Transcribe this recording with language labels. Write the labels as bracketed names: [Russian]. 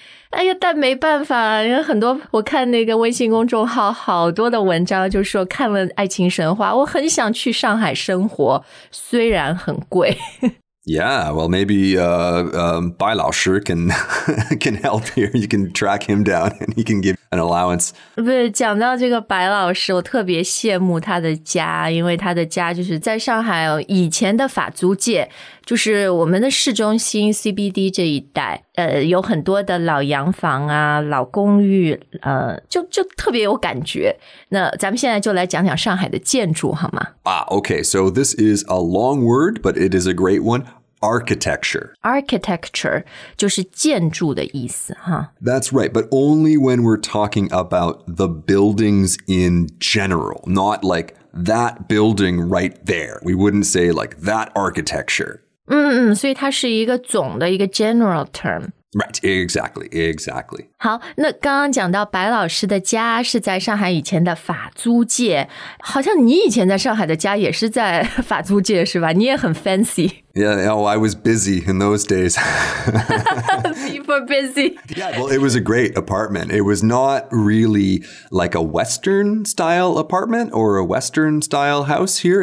[Chinese] 哎呀，但没办法，有很多，我看那个微信公众号好多的文章就说看了爱情神话，我很想去上海生活，虽然很贵。 [English] Yeah, well, maybe Bai 老师 can help here. You can track him down and he can give an allowance. [Chinese] 对，讲到这个白老师，我特别羡慕他的家，因为他的家就是在上海以前的法租界，就是我们的市中心 CBD 这一带，有很多的老洋房啊，老公寓，就特别有感觉。那咱们现在就来讲讲上海的建筑好吗？ [English] Okay, so this is a long word, but it is a great one. Architecture. [Chinese] Architecture 就是建筑的意思哈。Huh? [English] That's right, but only when we're talking about the buildings in general, not like that building right there. We wouldn't say like that architecture. [Chinese] 所以它是一个总的一个 [English] general term. Right, exactly, exactly. [Chinese] 好，那刚刚讲到白老师的家是在上海以前的法租界，好像你以前在上海的家也是在法租界是吧？你也很 fancy. [English] Yeah, oh, I was busy in those days. People are busy. Yeah, well, it was a great apartment. It was not really like a Western style apartment or a Western style house here.